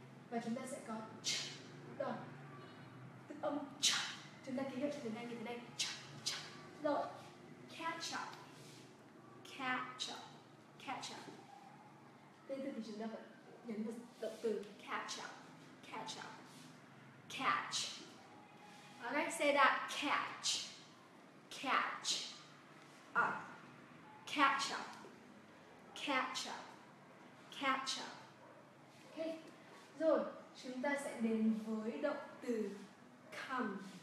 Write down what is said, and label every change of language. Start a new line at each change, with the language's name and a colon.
Vietnamese: Và chúng ta sẽ có ch. Rồi, từ âm ch. Chúng ta ký hiệu cho tiếng Anh như thế này. Ch, ch. Rồi, catch up. Catch up, catch up. Tên từ thì chúng ta phải nhấn vào động từ catch up, catch up, catch.
English: Okay, say that, catch, catch up, catch up, catch up, catch up. Okay.
Vietnamese: Rồi chúng ta sẽ đến với động từ come.